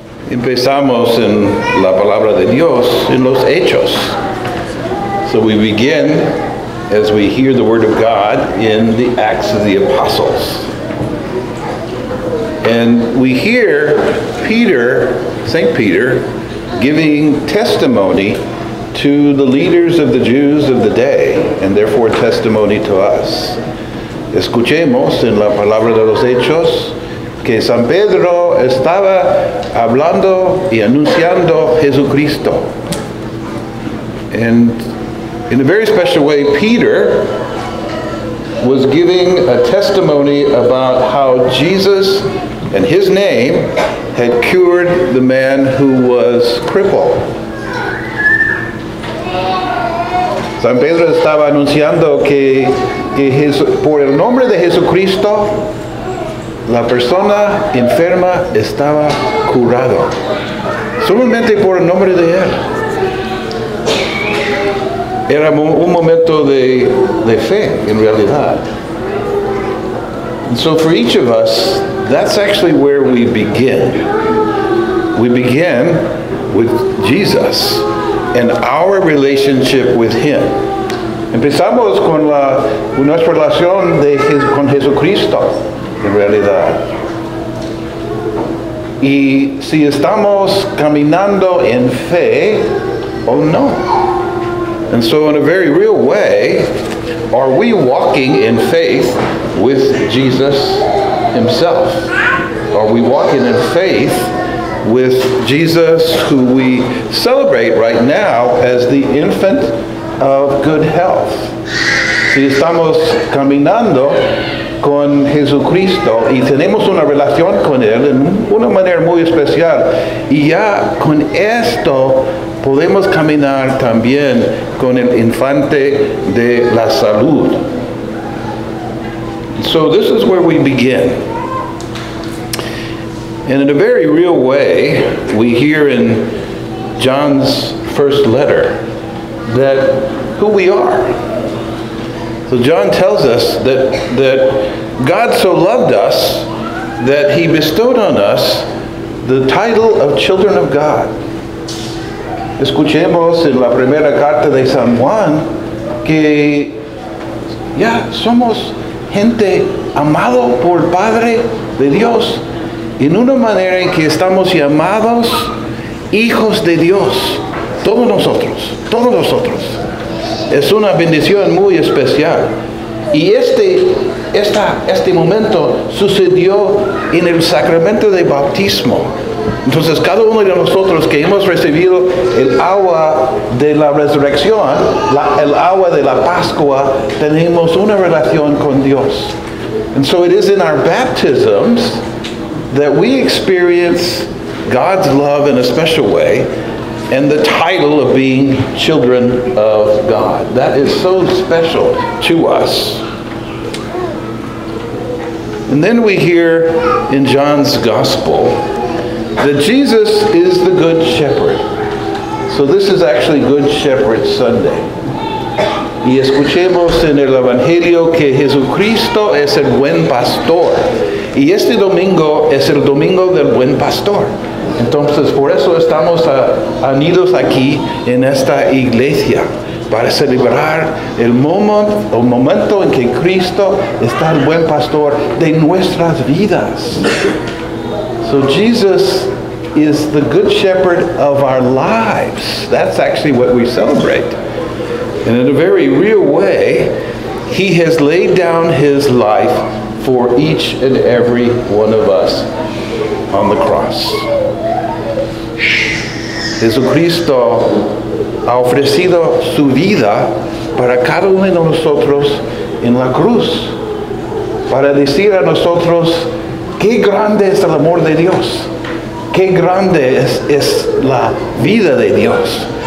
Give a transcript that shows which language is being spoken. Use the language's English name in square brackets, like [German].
[Spanish] Empezamos en la palabra de Dios, en los hechos. [English] So we begin as we hear the word of God in the Acts of the Apostles. And we hear Peter, Saint Peter, giving testimony to the leaders of the Jews of the day, and therefore testimony to us. [Spanish] Escuchemos en la palabra de los hechos que San Pedro estaba hablando y anunciando Jesucristo. [English] And in a very special way, Peter was giving a testimony about how Jesus and his name had cured the man who was crippled. [Spanish] San Pedro estaba anunciando que por el nombre de Jesucristo, la persona enferma estaba curado. Solamente por el nombre de él. Era un momento de fe, en realidad. [English] And so for each of us, that's actually where we begin. We begin with Jesus and our relationship with him. [Spanish] Empezamos con nuestra relación con Jesucristo, en realidad. Y si estamos caminando en fe o no. [English] And so in a very real way, are we walking in faith with Jesus himself? Are we walking in faith with Jesus who we celebrate right now as the infant of good health? [Spanish] Si estamos caminando con Jesucristo y tenemos una relación con él en una manera muy especial, y ya con esto podemos caminar también con el infante de la salud. [English] So this is where we begin. And in a very real way, we hear in John's first letter that who we are. So John tells us that God so loved us that he bestowed on us the title of children of God. [Spanish] Escuchemos en la primera carta de San Juan que ya somos gente amado por Padre de Dios en una manera en que estamos llamados hijos de Dios, todos nosotros. Es una bendición muy especial. Y este momento sucedió en el sacramento de bautismo. Entonces, cada uno de nosotros que hemos recibido el agua de la resurrección, el agua de la Pascua, tenemos una relación con Dios. [English] And so it is in our baptisms that we experience God's love in a special way and the title of being children of God. That is so special to us. And then we hear in John's Gospel that Jesus is the Good Shepherd. So this is actually Good Shepherd Sunday. [Spanish] Y escuchemos en el Evangelio que Jesucristo es el Buen Pastor. Y este domingo es el Domingo del Buen Pastor. Entonces, por eso estamos unidos aquí en esta iglesia, para celebrar el momento en que Cristo está el Buen Pastor de nuestras vidas. [English] So Jesus is the Good Shepherd of our lives. That's actually what we celebrate. And in a very real way, he has laid down his life for each and every one of us on the cross. [Spanish] Jesucristo ha ofrecido su vida para cada uno de nosotros en la cruz, para decir a nosotros, qué grande es el amor de Dios. Qué grande es la vida de Dios.